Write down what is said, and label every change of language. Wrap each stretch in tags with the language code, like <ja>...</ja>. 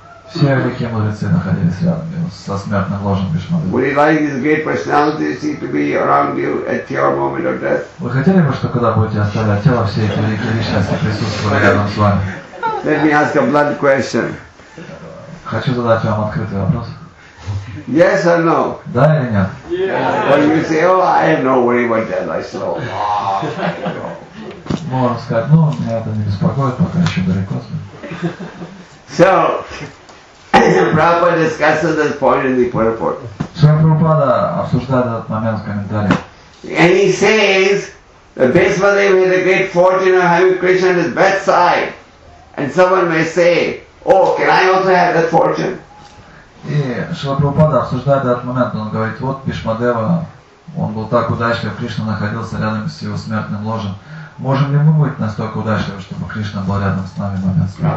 <ru>Все великие мудрецы находились рядом со смертным ложем Бишмадевы.</ru> <en>Would you like these great personalities to be around you at your moment of death?</en> <ru>Вы хотели бы, чтобы когда будете оставлять тело, все эти великие личности присутствовали рядом с вами?</ru> <en>Let me ask a blunt question.</en> <ru>Хочу задать вам открытый вопрос.</ru> <en>Yes or no?</en> <ru>Да или нет?</ru> <en>When you say, oh, I have no worry about that, I say, oh, no.</en> <ru>Можно сказать, ну, меня это не беспокоит, пока еще далеко.</ru> <en>So, Prabhupada discusses this point in the purport.</en> <ru>Шрила Прабхупада обсуждает этот момент в комментариях.</ru> <en>And he says, the Bhishmadev had a great fortune of having Krishna at his bedside. And someone may say, oh, can I also have that fortune?</en> <ru>И Шрила Прабхупада обсуждает этот момент, он говорит, вот Бишмадева, он был так удачлив, Кришна находился рядом с его смертным ложем. Можем ли мы быть настолько удачливы, чтобы Кришна был рядом с нами в момент</ru>